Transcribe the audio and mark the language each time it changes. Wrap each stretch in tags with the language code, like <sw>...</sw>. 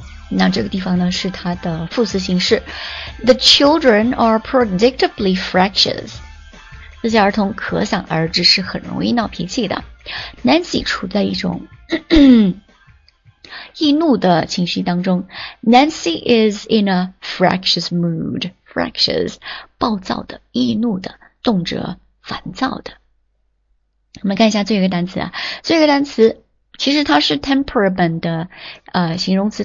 <zh>那这个地方呢是它的副词形式。</zh> <en>The children are predictably fractious，</en> <zh>这些儿童可想而知是很容易闹脾气的。 Nancy 处在一种易怒的情绪当中。</zh> <en>Nancy is in a fractious mood， fractious，</en> <zh>暴躁的，易怒的，动辄烦躁的。我们看一下最后一个单词啊，最后一个单词其实它是 temperament 的形容词。</zh>